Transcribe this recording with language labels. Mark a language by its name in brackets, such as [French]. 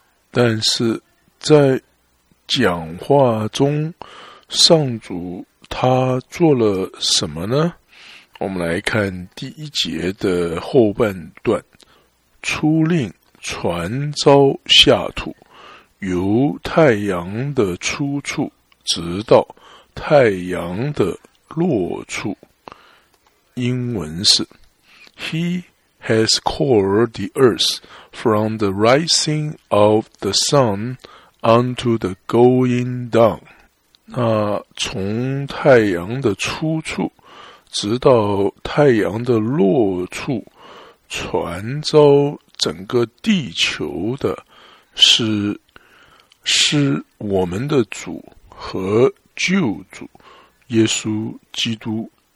[Chinese] 但是在讲话中，上主他做了什么呢？我们来看第一节的后半段，出令传召下土，由太阳的出处直到太阳的落处。英文是 [English] He has called the earth from the rising of the sun unto the going down。 [Chinese] 那从太阳的出处直到太阳的落处，传召整个地球的是我们的主和救主耶稣基督。